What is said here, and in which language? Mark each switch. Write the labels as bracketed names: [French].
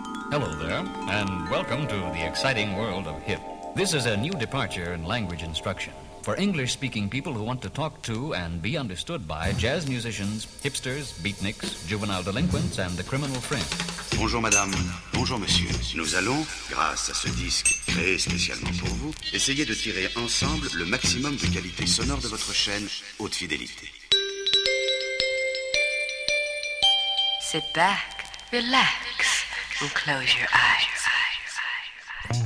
[English] Hello there, and welcome to the exciting world of HIP. This is a new departure in language instruction for English-speaking people who want to talk to and be understood by jazz musicians, hipsters, beatniks, juvenile delinquents, and the criminal fringe. [French] Bonjour madame, bonjour monsieur. Nous allons, grâce à ce disque créé spécialement pour vous, essayer de tirer ensemble le maximum de qualité sonore de votre chaîne Haute Fidélité. [English] Sit back, relax, and close your eyes.